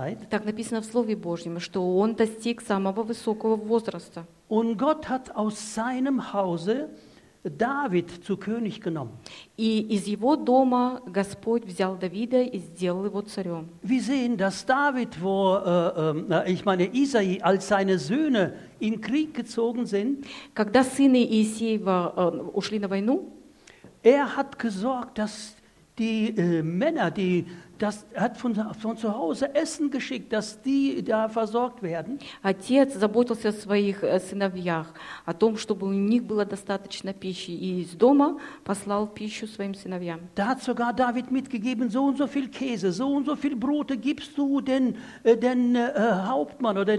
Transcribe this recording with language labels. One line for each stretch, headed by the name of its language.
Russian: Так написано в Слове Божьем, что он достиг самого высокого возраста.
German: Und Gott hat aus seinem Hause David zu König genommen.
Russian: И из его дома Господь взял Давида и сделал его царем.
German: Wir sehen, dass David, wo ich meine Isai, als seine Söhne in Krieg gezogen sind,
Russian: когда сыны Иисеева ушли на войну,
German: er hat gesorgt, dass die Männer, die das hat von zu Hause Essen geschickt, dass die da versorgt werden.
Russian: Отец заботился о своих сыновьях, о том, чтобы у них было достаточно пищи, и из дома послал пищу своим сыновьям.
German: Da hat sogar David mitgegeben, so und so viel Käse, so und so viel Brote gibst du den Hauptmann.